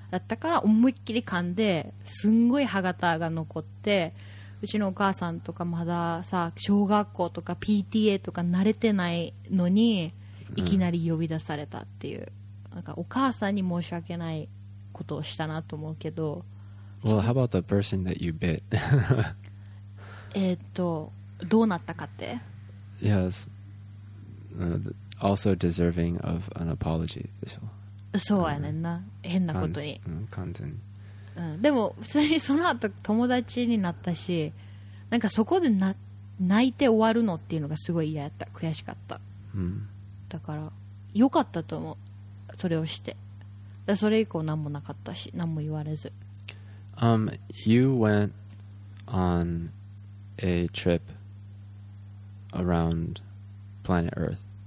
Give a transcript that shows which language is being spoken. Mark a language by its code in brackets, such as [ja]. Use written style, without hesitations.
[ja] だったから思いっきり噛んですんごい歯型が残って、うちのお母さんとかまださ小学校とか PTA とか慣れてないのにいきなり呼び出されたっていう、うん、なんかお母さんに申し訳ないことをしたなと思うけど。 [en] Well, how about the person that you bit? [ja] どうなったかって。 [en] Yes, also deserving of an apology. [ja] そうやねんな、変なことに、うん、完全に、うん、でも普通にその後友達になったし、なんかそこで泣いて終わるのっていうのがすごい嫌やった、悔しかった、うん、だから良かったと思う、それをして。だそれ以降何もなかったし、何も言われず。 [en] You went on a trip around planet Earth.